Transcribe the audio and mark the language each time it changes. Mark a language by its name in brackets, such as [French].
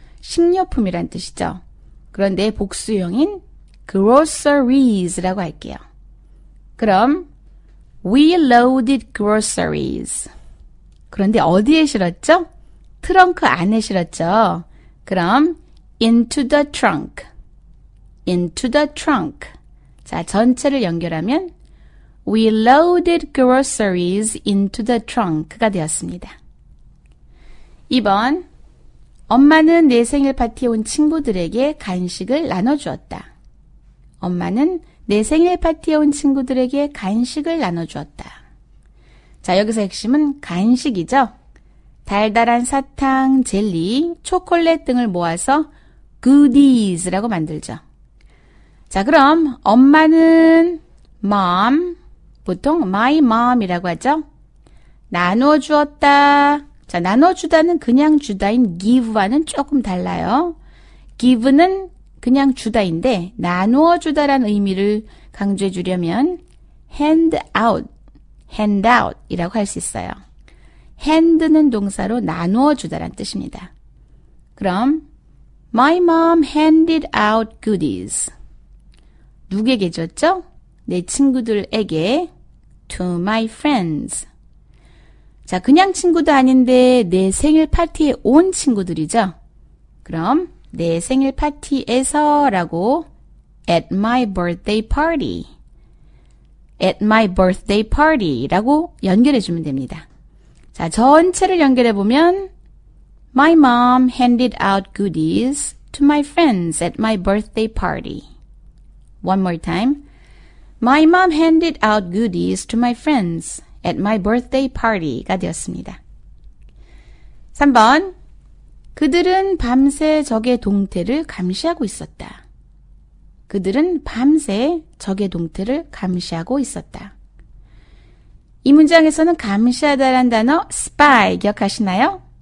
[Korean] 식료품이란 뜻이죠. 그런데 복수형인 groceries라고 할게요. [English] 그럼 We loaded groceries. [Korean] 그런데 어디에 실었죠? 트렁크 안에 실었죠? [English] 그럼 into the trunk. into the trunk. [Korean] 자, 전체를 연결하면 [English] We loaded groceries into the trunk [Korean] 가 되었습니다. 2번 엄마는 내 생일 파티에 온 친구들에게 간식을 나눠주었다. 엄마는 내 생일 파티에 온 친구들에게 간식을 나눠주었다. 자, 여기서 핵심은 간식이죠. 달달한 사탕, 젤리, 초콜릿 등을 모아서 goodies라고 만들죠. 자, 그럼 엄마는 mom, 보통 [English] my mom [Korean] 이라고 하죠. 나눠주었다. 자, 나눠주다는 그냥 주다인 give와는 조금 달라요. give는 그냥 주다인데 나누어 주다란 의미를 강조해 주려면 hand out 이라고 할 수 있어요. hand는 동사로 나누어 주다란 뜻입니다. [English] 그럼 my mom handed out goodies. [Korean] 누구에게 줬죠? [English] 내 친구들에게 to my friends. [Korean] 자, 그냥 친구도 아닌데 내 생일 파티에 온 친구들이죠? 그럼 내 생일 파티에서 라고 [English] at my birthday party [Korean] at my birthday party 라고 연결해 주면 됩니다. 자, 전체를 연결해 보면 [English] my mom handed out goodies to my friends at my birthday party. One more time. My mom handed out goodies to my friends at my birthday party [Korean] 가 되었습니다. 3번 그들은 밤새 적의 동태를 감시하고 있었다. 그들은 밤새 적의 동태를 감시하고 있었다. 이 문장에서는 감시하다란 단어 spy 기억하시나요?